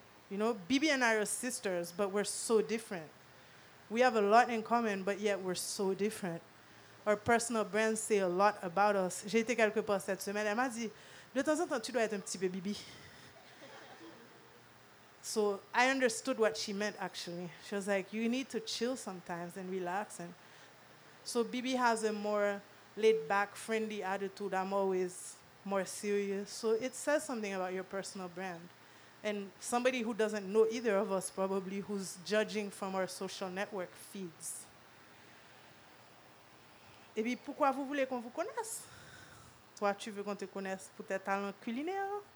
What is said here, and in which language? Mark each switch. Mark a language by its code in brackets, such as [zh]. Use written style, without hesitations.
[en] You know, Bibi and I are sisters, but we're so different. We have a lot in common, but yet we're so different. Our personal brands say a lot about us. [fr] J'ai été quelque part cette semaine. Elle m'a dit, de temps en temps, tu dois être un petit peu Bibi. [en] So I understood what she meant, actually. She was like, you need to chill sometimes and relax. And so Bibi has a more laid-back, friendly attitude. I'm always more serious. So it says something about your personal brand. And somebody who doesn't know either of us, probably, who's judging from our social network feeds. [fr] Et puis, pourquoi vous voulez qu'on vous connaisse? Toi, tu veux qu'on te connaisse pour tes talents culinaires?